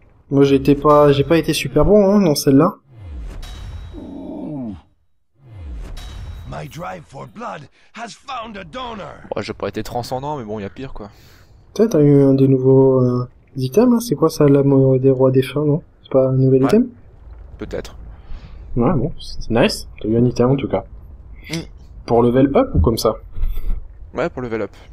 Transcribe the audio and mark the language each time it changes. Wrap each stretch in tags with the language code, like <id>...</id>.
<fr>Moi j'ai pas été super bon hein, dans celle-là.</fr> <en>My drive for blood has found a donor.</en> <fr>Oh, j'ai pas été transcendant, mais bon, y'a pire quoi. Toi, t'as eu un des nouveaux items, hein? C'est quoi ça, l'âme des rois défunts, non? C'est pas un nouvel ouais. Item? Peut-être. Ouais, bon, c'est nice. T'as eu un item en tout cas. Pour level up ou comme ça? Ouais, pour level up.</fr>